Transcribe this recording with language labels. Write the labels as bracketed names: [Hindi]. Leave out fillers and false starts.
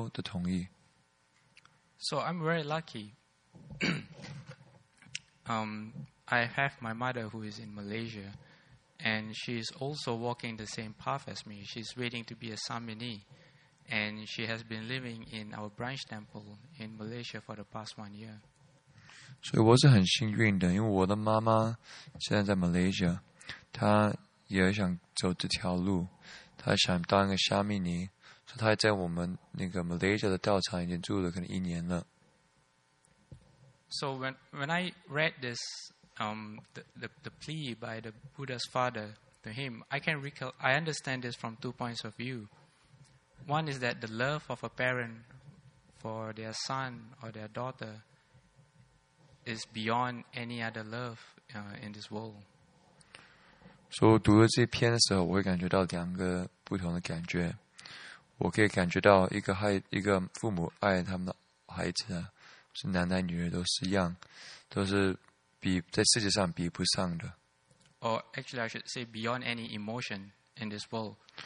[Chinese] 那个僧团的父母的同意，所以佛陀就说就同意这样子做。所以就后来，如果人想出家，先要同父母他们的同意或者同修的同意。 [English] So I'm very lucky. I have my mother who is in Malaysia, and she's also walking the same path as me. She's waiting to be a Samini. And she has been living in our branch temple in Malaysia for the past 1 year. So I was very lucky because my mother is now in Malaysia. She also wants to walk this road. She wants to be a Samini. So she has been in our Malaysia research for about 1 year. So when I read this, the plea by the Buddha's father to him, I understand this from two points of view. One is that the love of a parent for their son or their daughter is beyond any other love in this world. So, [Chinese] 读了这篇的时候，我会感觉到两个不同的感觉。我可以感觉到一个父母爱他们的孩子，是男男女女都是一样，都是比在世界上比不上的。 [English] Or actually, I should say, beyond any emotion in this world.